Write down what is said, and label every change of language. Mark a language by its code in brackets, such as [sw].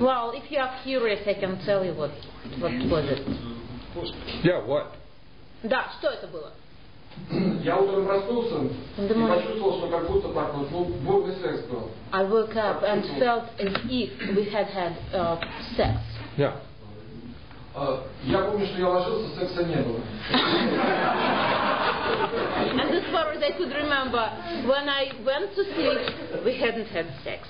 [en] Well, if you are curious, I can tell you what was it. Yeah, what? [ru] Да, что это было? Я утром проснулся и почувствовал, что как будто так вот, ну, бурный секс был. [en] I woke up and felt as if we had had sex. Yeah. [ru] Я помню, что я ложился, секса не было. [en] And as far as I could remember, when I went to sleep, we hadn't had sex.